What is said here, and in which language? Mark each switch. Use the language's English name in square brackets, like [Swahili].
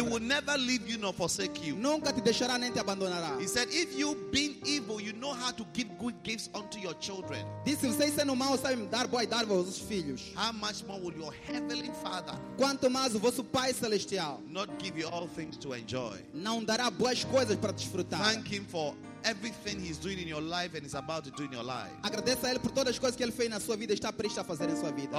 [English] He will never leave you nor forsake you. [Portuguese] Nunca te deixará nem te abandonará. [English] He said, if you being evil, you know how to give good gifts unto your children. [Portuguese] Disse, vocês sendo maus sabem dar boa e dar aos seus filhos. [English] How much more will your heavenly Father? [Portuguese] Quanto mais o vosso Pai celestial? [English] Not give you all things to enjoy. [Portuguese] Não dará boas coisas para desfrutar. [English] Thank Him for everything He's doing in your life and is about to do in your life. [Portuguese] Agradeça a Ele por todas as coisas que Ele fez na sua vida e está prestes a fazer em sua vida.